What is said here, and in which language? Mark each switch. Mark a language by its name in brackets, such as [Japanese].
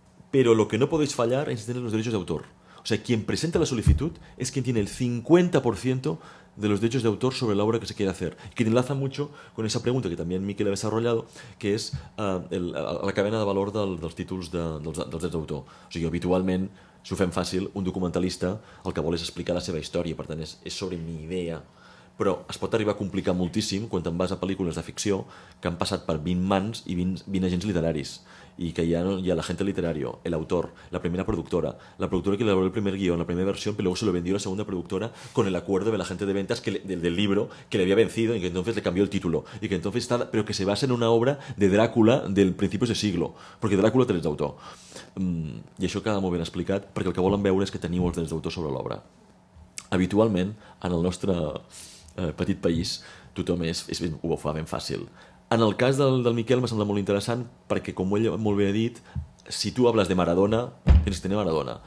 [Spanish] Pero lo que no podéis fallar es tener los derechos de autor. O sea, quien presenta la solicitud es quien tiene el 50% de los derechos de autor sobre la obra que se quiere hacer. Que enlaza mucho con esa pregunta que también Miquel ha desarrollado, que es la cadena de valor [Catalan] dels títols dels drets d'autor. O sigui, habitualment, si ho fem fàcil, un documentalista el que vol és explicar la seva història, per tant, és sobre mi idea. Però es pot arribar a complicar moltíssim quan te'n vas a pel·lícules de ficció que han passat per 20 mans i 20 agents literaris, i que hi ha [Spanish] l'agente literario, [Catalan] l'autor, la primera productora, la productora que li va veure el primer guió, la primera versió, però després [Spanish] se lo vendió a la segona productora con el acuerdo de l'agente de ventas del libro que le había vencido y que entonces le cambió el título. Y que entonces está, pero que se basa en una obra de Drácula del principios de siglo, porque Drácula [Catalan] té drets d'autor. I això queda molt ben explicat, perquè el que volen veure és que teniu els drets d'autor sobre l'obra. Habitualment, en el nostre petit país, tothom ho fa ben fàcil. En el cas del Miquel m'ha semblat molt interessant perquè, com ell molt bé ha dit, si tu hables de Maradona, tens que tenir Maradona.